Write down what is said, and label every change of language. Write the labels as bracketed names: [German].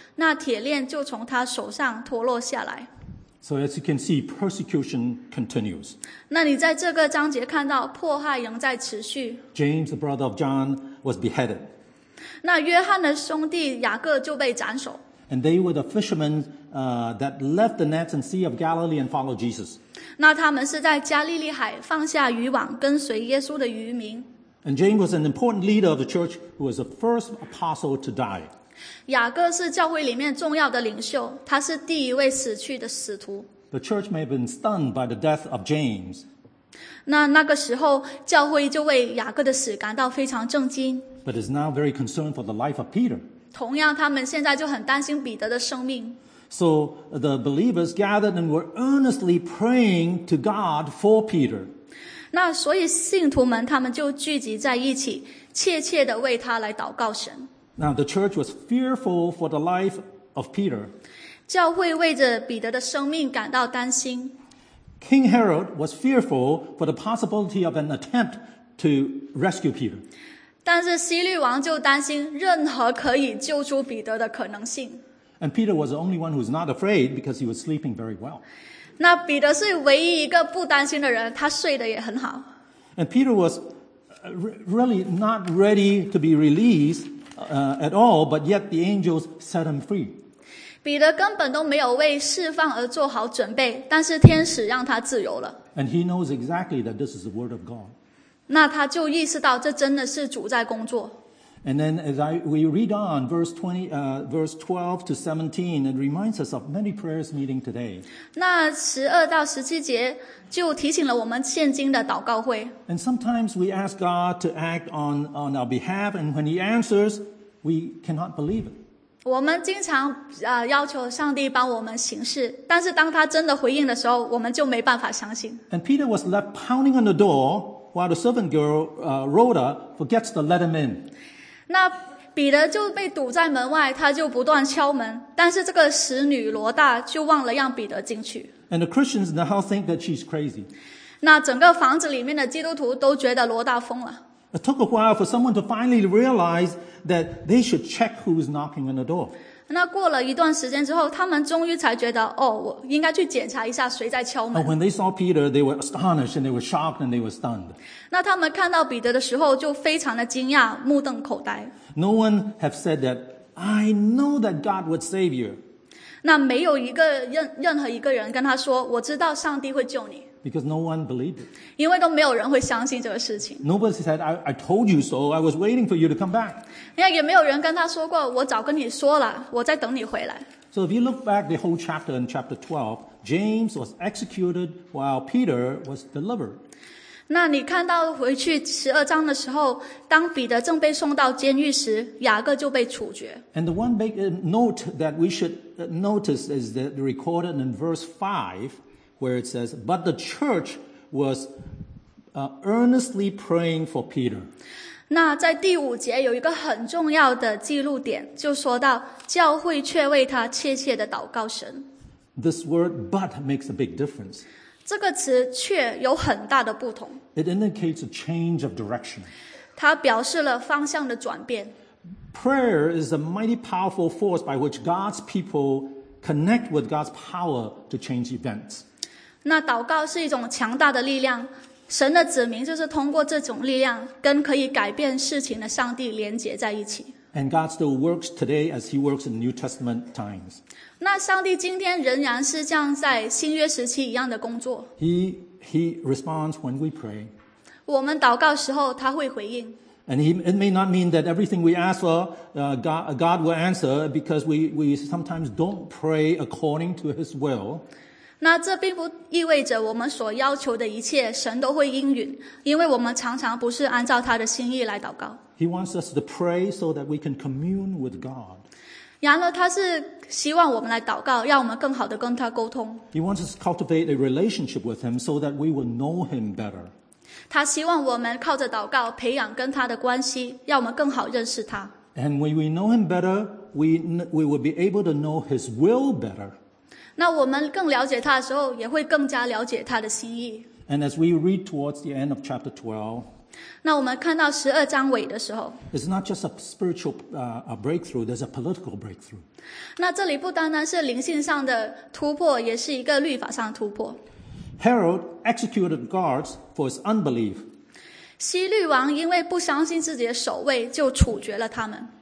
[Chinese] 那铁链就从他手上脱落下来。 [English] So as you can see, persecution continues. [Chinese] 那你在这个章节看到迫害仍在持续。 [English] James, the brother of John, was beheaded. [Chinese] 那约翰的兄弟雅各就被斩首。 [English] And they were the fishermen that left the nets and sea of Galilee and followed Jesus. [Chinese] 那他们是在加利利海放下渔网跟随耶稣的渔民。 [English] And James was an important leader of the church who was the first apostle to die. [Chinese] 雅各是教会里面重要的领袖，他是第一位死去的使徒。 [English] The church may have been stunned by the death of James. [Chinese] 那个时候，教会就为雅各的死感到非常震惊。 [English] But is now very concerned for the life of Peter. [Chinese] 同样，他们现在就很担心彼得的生命。 [English] So the believers gathered and were earnestly praying to God for Peter. [Chinese] 那所以信徒们他们就聚集在一起，切切地为他来祷告神。 [English] Now the church was fearful for the life of Peter. [Chinese] 教会为着彼得的生命感到担心。 [English] King Herod was fearful for the possibility of an attempt to rescue Peter. [Chinese] 但是希律王就担心任何可以救出彼得的可能性。 [English] And Peter was the only one who was not afraid because he was sleeping very well. [Chinese] 那彼得是唯一一个不担心的人，他睡得也很好。 [English] And Peter was really not ready to be released at all, but yet the angels set him free. [Chinese] 彼得根本都没有为释放而做好准备，但是天使让他自由了。 [English] And he knows exactly that this is the word of God. [Chinese] 那他就意识到这真的是主在工作。 [English] And then as we read on verse 12 to 17, it reminds us of many prayers meeting today. [Chinese] 那12到17节就提醒了我们现今的祷告会。 [English] And sometimes we ask God to act on our behalf, and when He answers, we cannot believe it. [Chinese] 我们经常要求上帝帮我们行事，但是当他真的回应的时候，我们就没办法相信。 [English] And Peter was left pounding on the door while the servant girl, Rhoda, forgets to let him in. [Chinese] 那彼得就被堵在门外，他就不断敲门，但是这个使女罗大就忘了让彼得进去。 [English] And the Christians in the house think that she's crazy. [Chinese] 那整个房子里面的基督徒都觉得罗大疯了。 [English] It took a while for someone to finally realize that they should check who is knocking on the door. [Chinese] 那过了一段时间之后，他们终于才觉得，哦，我应该去检查一下谁在敲门。 [English] And when they saw Peter, they were astonished, and they were shocked, and they were stunned. [Chinese] 那他们看到彼得的时候就非常的惊讶，目瞪口呆。 [English] No one have said that, I know that God would save you. [Chinese] 那没有一个任何一个人跟他说，我知道上帝会救你。 [English] Because no one believed it. [Chinese] 因为都没有人会相信这个事情。 [English] Nobody said, I told you so, I was waiting for you to come back. [Chinese] 也没有人跟他说过，我早跟你说了，我在等你回来。 [English] So if you look back the whole chapter in chapter 12, James was executed while Peter was delivered. [Chinese] 那你看到回去十二章的时候，当彼得正被送到监狱时，雅各就被处决。 [English] And the one big note that we should notice is that recorded in verse 5, where it says, "But the church was earnestly praying for Peter." [Chinese] 那在第五节有一个很重要的记录点，就说到教会却为他切切的祷告神。 [English] This word "but" makes a big difference. [Chinese] 这个词却有很大的不同。 [English] It indicates a change of direction. [Chinese] 它表示了方向的转变。 [English] Prayer is a mighty powerful force by which God's people connect with God's power to change events. [Chinese] 那祷告是一种强大的力量。神的子民就是通过这种力量跟可以改变事情的上帝连结在一起。 [English] And God still works today as he works in New Testament times. [Chinese] 那上帝今天仍然是像在新约时期一样的工作。 [English] He responds when we pray. [Chinese] 我们祷告时候他会回应。 [English] And it may not mean that everything we ask for, God will answer because we sometimes don't pray according to his will. [Chinese] 那这并不意味着我们所要求的一切神都会应允，因为我们常常不是按照他的心意来祷告。 [English] He wants us to pray so that we can commune with God. [Chinese] 然而他是希望我们来祷告，让我们更好地跟他沟通。 [English] He wants us to cultivate a relationship with him so that we will know him better. [Chinese] 他希望我们靠着祷告培养跟他的关系，让我们更好认识他。 [English] And when we know him better, we will be able to know his will better. [Chinese] 那我们更了解他的时候，也会更加了解他的心意。 [English] And as we read towards the end of chapter 12, [Chinese] 那我们看到十二章尾的时候， [English] it's not just a spiritual breakthrough, there's a political breakthrough. [Chinese] 那这里不单单是灵性上的突破，也是一个律法上的突破。 [English] Herod executed guards for his unbelief. [Chinese] 希律王因为不相信自己的守卫，就处决了他们。